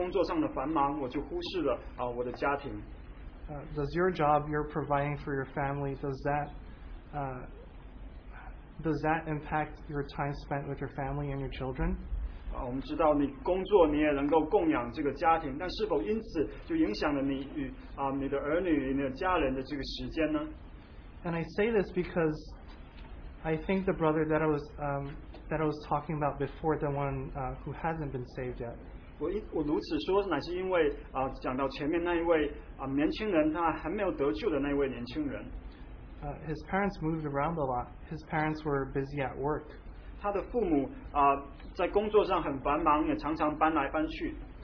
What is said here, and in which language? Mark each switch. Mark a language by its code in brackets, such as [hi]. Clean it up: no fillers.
[zh] 我时常常觉得说，因着我工作上的繁忙，我就忽视了我的家庭。 [en] Does your job, you're providing for your family, does that impact your time spent with your family and your children? [zh] 我们知道你工作，你也能够供养这个家庭，但是否因此就影响了你与 你的儿女、你的家人的这个时间呢？ [en] And I say this because I think the brother that I was talking about before, the one who hasn't been saved yet. [zh] 我如此说乃是因为 讲到前面那一位 年轻人，他还没有得救的那位年轻人。 [en] His parents moved around a lot. His parents were busy at work. [zh] 他的父母 在工作上很繁忙，也常常搬来搬去。